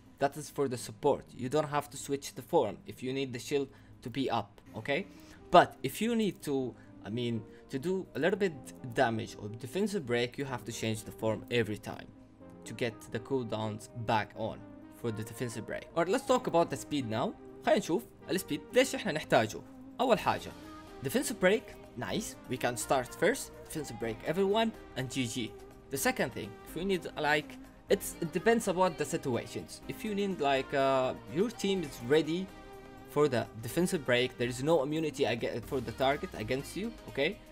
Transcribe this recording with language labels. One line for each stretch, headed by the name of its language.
English: That is for the support. You don't have to switch the form if you need the shield to be up, okay? But if you need to, I mean, to do a little bit damage or defensive break, you have to change the form every time to get the cooldowns back on for the defensive break. Alright, let's talk about the speed now.
Arabic: خلينا نشوف السبيد ليش احنا نحتاجه. أول حاجة defensive break.
English: Nice, we can start first, defensive break everyone, and GG. The second thing, if we need, like, it depends about the situations. If you need, like, your team is ready for the defensive break, there is no immunity for the target against you, okay?